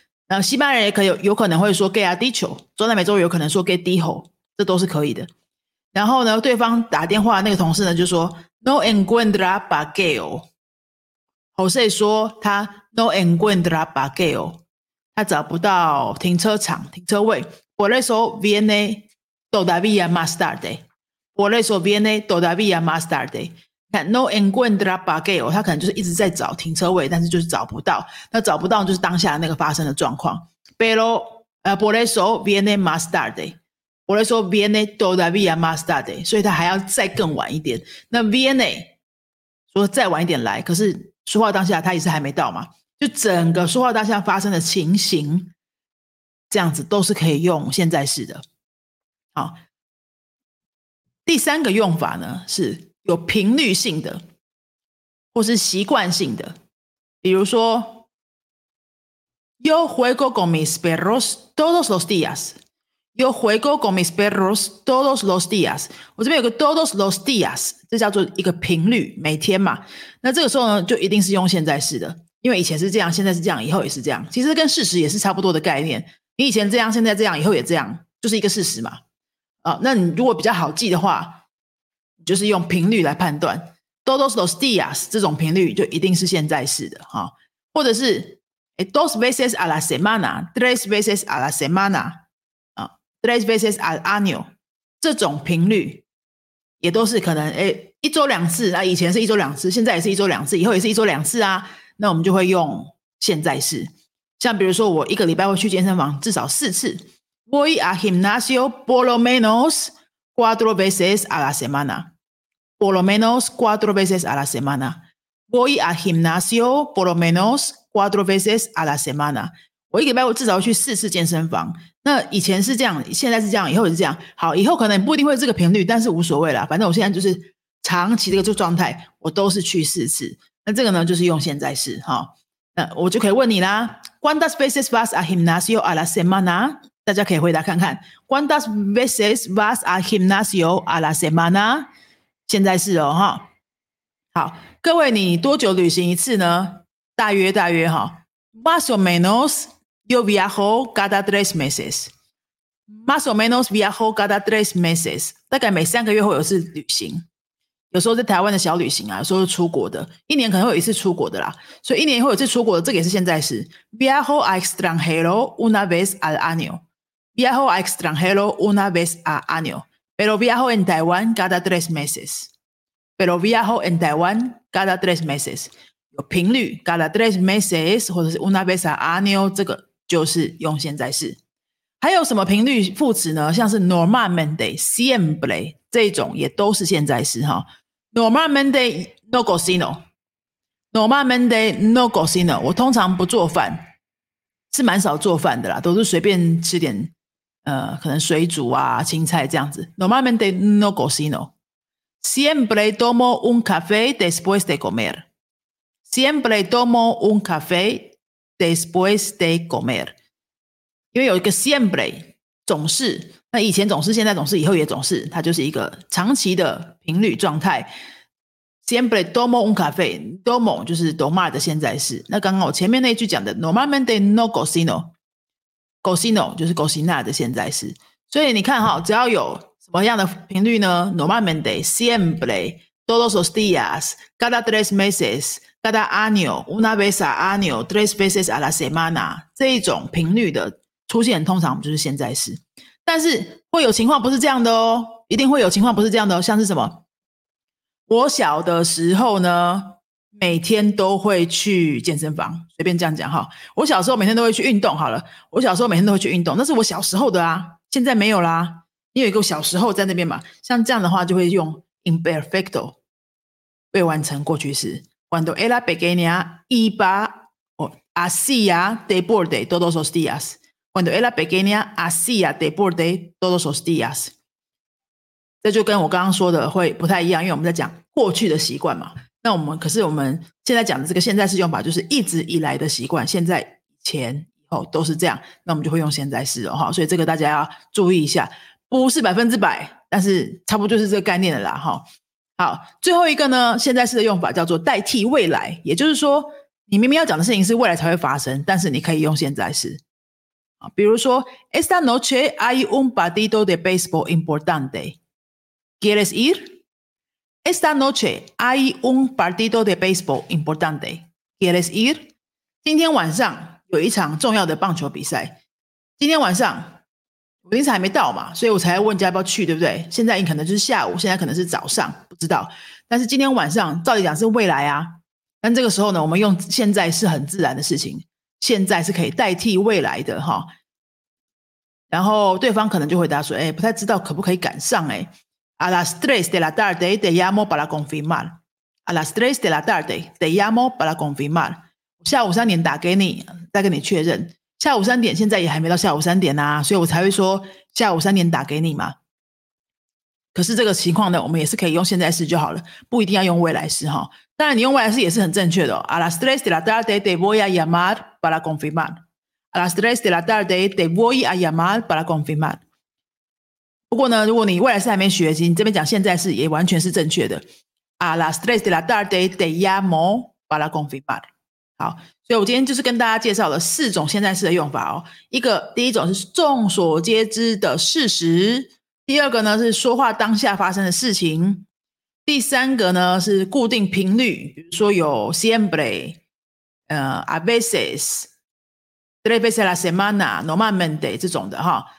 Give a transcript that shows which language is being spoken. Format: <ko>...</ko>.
<zh>那西班牙人也可以有可能会说</zh> <es>Gay a dicho，</es> <zh>中南美洲有可能说</zh> <es>Gay dijo，</es> <zh>这都是可以的。然后呢，对方打电话那个同事呢就说</zh> <es>No encuentra bagueo。</es> <zh>Jose 说他</zh> <es>No encuentra bagueo，</es> <zh>他找不到停车场停车位。</zh> <es>Por eso viene todavía más tarde。 Por eso viene todavía más tarde。 No encuentra bagueo，</es> <zh>他可能就是一直在找停车位，但是就是找不到。那找不到就是当下那个发生的状况。</zh> <es>Pero por eso viene más tarde。</es> <zh>我来说</zh> <es>viene todavía más tarde，</es> <zh>所以他还要再更晚一点。那 viene 说再晚一点来，可是说话当下他也是还没到嘛，就整个说话当下发生的情形这样子都是可以用现在式的。好，第三个用法呢是有频率性的或是习惯性的，比如说</zh> <es>Yo juego con mis perros todos los días。 Yo juego con mis perros todos los días。</es> <zh>我这边有个</zh> <es>todos los días，</es> <zh>这叫做一个频率，每天嘛。那这个时候呢就一定是用现在式的，因为以前是这样，现在是这样，以后也是这样，其实跟事实也是差不多的概念。你以前这样，现在这样，以后也这样，就是一个事实嘛。那你如果比较好记的话，就是用频率来判断</zh> <es>todos los días，</es> <zh>这种频率就一定是现在式的。或者是</zh> <es>dos veces a la semana， tres veces a la semana， Tres veces al año，</es> <zh>这种频率也都是可能一周两次，以前是一周两次，现在也是一周两次，以后也是一周两次啊，那我们就会用现在式。像比如说我一个礼拜会去健身房至少四次，</zh> <es>Voy a gimnasio por lo menos cuatro veces a la semana， por lo menos cuatro veces a la semana， Voy a gimnasio por lo menos cuatro veces a la semana。</es> <zh>我一个礼拜我至少会去四次健身房，那以前是这样，现在是这样，以后是这样。好，以后可能不一定会这个频率，但是无所谓啦，反正我现在就是长期这个状态，我都是去四次。那这个呢就是用现在式。好，那我就可以问你啦，</zh> <es>¿Cuántas veces vas a gimnasio a la semana？</es> <zh>大家可以回答看看，</zh> <es>¿Cuántas veces vas a gimnasio a la semana？</es> <zh>现在式哦。好，各位你多久旅行一次呢？大约大约哈。</zh> <es>Más o menos yo viajo cada tres meses. Más o menos viajo cada tres meses.</es> <zh>大概每三个月会有一次旅行，有时候在台湾的小旅行啊，有时候出国的，一年可能会有一次出国的啦。所以一年会有一次出国的，这个也是现在式。</zh> <es>Viajo a extranjero una vez al año. Viajo a extranjero una vez al año. Pero viajo en Taiwán cada tres meses. Pero viajo en Taiwán cada tres meses.</es> <zh>频率</zh> <es>cada tres meses</es> <zh>或者是</zh> <es>una vez al año，</es> <zh>这个就是用现在式。还有什么频率副词呢？像是 normalmente siempre 这种也都是现在式。</zh> <es>normalmente no cocino，</es> <zh>normalmente no cocino， 我通常不做饭，是蛮少做饭的啦，都是随便吃点可能水煮啊青菜这样子。</zh> <es>normalmente no cocino。 siempre tomo un café después de comerSiempre tomo un café después de comer。</es> <zh>因为有一个 siempre 总是，那以前总是，现在总是，以后也总是，它就是一个长期的频率状态。</zh> <es>Siempre tomo un café， tomo</es> <zh>就是</zh> <es>tomar</es> <zh>的现在式。那刚刚我前面那一句讲的</zh> <es>normalmente no cocino，</es> <zh>cocino 就是 cocinar 的现在式。所以你看哈，只要有什么样的频率呢？</zh> <es>normalmente， siempre， todos los días， cada tres meses，cada año， una vez al año， tres veces a la semana，</es> <zh>这一种频率的出现通常就是现在式。但是会有情况不是这样的哦，一定会有情况不是这样的哦。像是什么，我小的时候呢每天都会去健身房，随便这样讲哈，我小时候每天都会去运动好了，我小时候每天都会去运动，那是我小时候的啊，现在没有啦。你有一个小时候在那边嘛，像这样的话就会用 imperfecto， 未完成过去式。</zh> <es>Cuando era pequeña iba o hacía deporte todos los días. Cuando era pequeña hacía deporte todos los días.</es> <zh>这就跟我刚刚说的会不太一样，因为我们在讲过去的习惯嘛。那我们可是我们现在讲的这个现在式用法，就是一直以来的习惯，现在、前、后都是这样。那我们就会用现在式哦。所以这个大家要注意一下，不是百分之百，但是差不多就是这个概念的啦。好，最后一个呢，现在式的用法叫做代替未来，也就是说你明明要讲的事情是未来才会发生，但是你可以用现在式。</zh> <es>比如说 Esta noche hay un partido de baseball importante， ¿Quieres ir? Esta noche hay un partido de béisbol importante. ¿Quieres ir?</es> <zh>今天晚上有一场重要的棒球比赛。今天晚上我凌晨还没到嘛，所以我才问你要不要去，对不对？现在可能就是下午，现在可能是早上，不知道。但是今天晚上照理讲是未来啊。但这个时候呢，我们用现在是很自然的事情，现在是可以代替未来的哈。然后对方可能就回答说，哎，不太知道可不可以赶上哎。</zh> <es>A las tres de la tarde te llamo para confirmar. A las tres de la tarde te llamo para confirmar.</es> <zh>下午三点打给你，再跟你确认。下午三点现在也还没到下午三点啊，所以我才会说下午三点打给你嘛。可是这个情况呢，我们也是可以用现在式就好了，不一定要用未来式哈。当然你用未来式也是很正确的、哦。</zh> <es>A las tres de la tarde te voy a llamar para confirmar. A las tres de la tarde te voy a llamar para confirmar.</es> <zh>不过呢，如果你未来式还没学习，你这边讲现在式也完全是正确的。</zh> <es>A las tres de la tarde te llamo para confirmar。</es> <zh>好，所以我今天就是跟大家介绍了四种现在式的用法哦。第一种是众所皆知的事实；第二个呢是说话当下发生的事情；第三个呢是固定频率，比如说有 siempre、a veces、</zh> <es>tres veces a la semana、</es> <zh>normalmente 这种的哈。</zh>